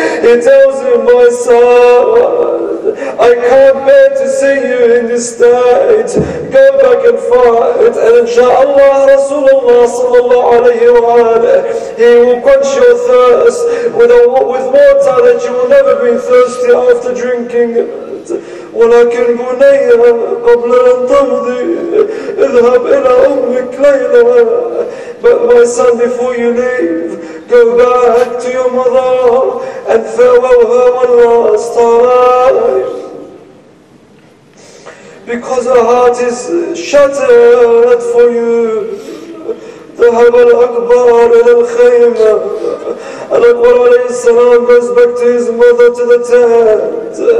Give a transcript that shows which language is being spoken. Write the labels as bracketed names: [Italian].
[English] He tells him, my son, I can't bear to see you in this state. Go back and fight. And inshallah, Rasulullah sallallahu alayhi wa alayhi, he will quench your thirst with water that you will never be thirsty after drinking it. [Arabic] ولكن بنيا قبل أن تمضي اذهب إلى أمك ليلى. [English] But my son, before you leave, go back to your mother and farewell her one last time. Because her heart is shattered for you. [Arabic] Dhahab al-Akbar ila al-Khayma. [English] Al-Akbar alayhi salam goes back to his mother to the tent.